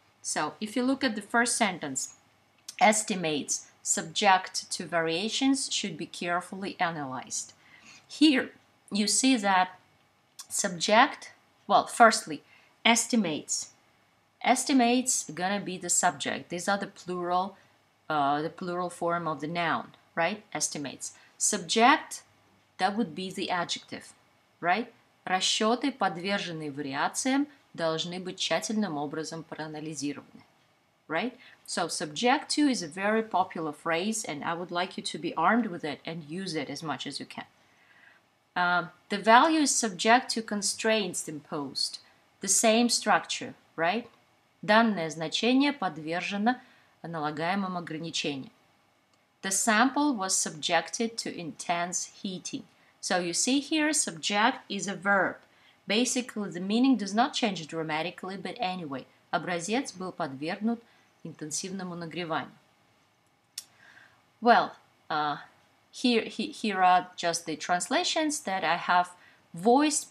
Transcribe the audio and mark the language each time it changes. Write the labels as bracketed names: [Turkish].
[English] So if you look at the first sentence, estimates subject to variations should be carefully analyzed. Here you see that subject, well, firstly, estimates. Estimates gonna be the subject. These are the plural form of the noun, right? Estimates. Subject, that would be the adjective, right? [Russian] Расчеты, подверженные вариациям, должны быть тщательным образом проанализированы, [English] right? So, subject to is a very popular phrase, and I would like you to be armed with it and use it as much as you can. The value is subject to constraints imposed. The same structure, right? [Russian] Данное значение подвержено аналогаемым ограничениям. [English] The sample was subjected to intense heating. So you see here, subject is a verb. Basically, the meaning does not change dramatically, but anyway, [Russian] образец был подвергнут интенсивному нагреванию. [English] Well, here are just the translations that I have voiced.